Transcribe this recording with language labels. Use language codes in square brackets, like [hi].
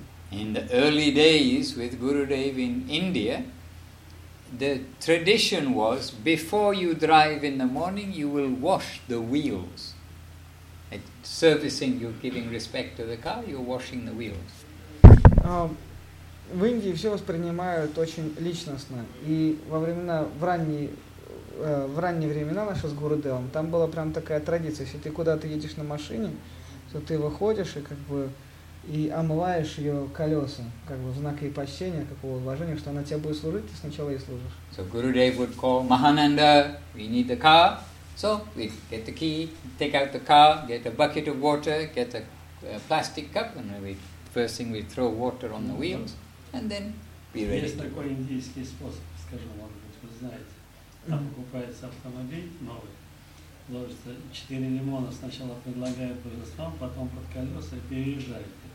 [en] In the early days with Gurudev in India, the tradition was, before you drive in the morning, you will wash the wheels. At servicing, you're giving respect to the car, you're washing the wheels. [ru] В Индии все воспринимают очень личностно. И во времена, в ранние времена наши с Гурудевом, там была прям такая традиция, если ты куда-то едешь на машине, то ты выходишь и как бы и омываешь ее колеса, как бы в знак ей почтения, какого уважения, что она тебе будет служить, ты сначала ей служишь. [en] So Gurudev would call Mahananda, we need the car. So we get the key, take out the car, get a bucket of water, get a plastic cup, and we first thing we throw water on the wheels. And then be ready. [ru] Есть такой индийский способ, скажем, может быть, вы знаете. Там покупается автомобиль новый, ложится 4 лимона, сначала предлагают божествам, потом под колеса и переезжают.